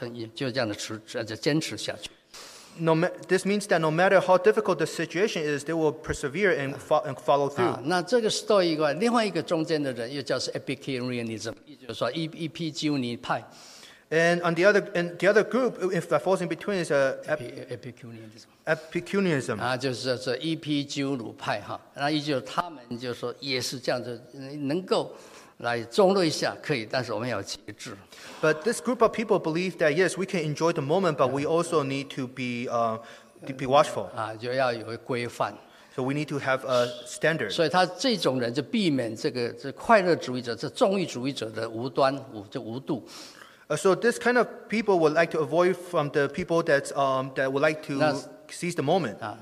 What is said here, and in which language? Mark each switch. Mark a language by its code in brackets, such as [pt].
[zh] 他意思说在苦难在重担他还以坚忍的心他什么样的持守他就这样的坚持下去. [en] This means that no matter how difficult the situation is, they will persevere and follow through. [zh] 那这个Stoic外, 另外一个中间的人又叫是Epicureanism, 意思说伊皮丘尼派。 [en] And on the other, and the other group, if that falls in between, is [zh] Epicureanism. 啊，就是这伊皮丘鲁派哈。那意思就是他们就说也是这样子，能够来中立一下可以， 但是我们要节制。 [en] But this group of people believe that yes, we can enjoy the moment, but we also need to be watchful. [zh] 啊，就要有规范。 [en] So we need to have a standard. [zh] 所以他这种人就避免这个快乐主义者、这纵欲主义者的无端无度。 [en] So this kind of people would like to avoid from the people that would like to seize the moment.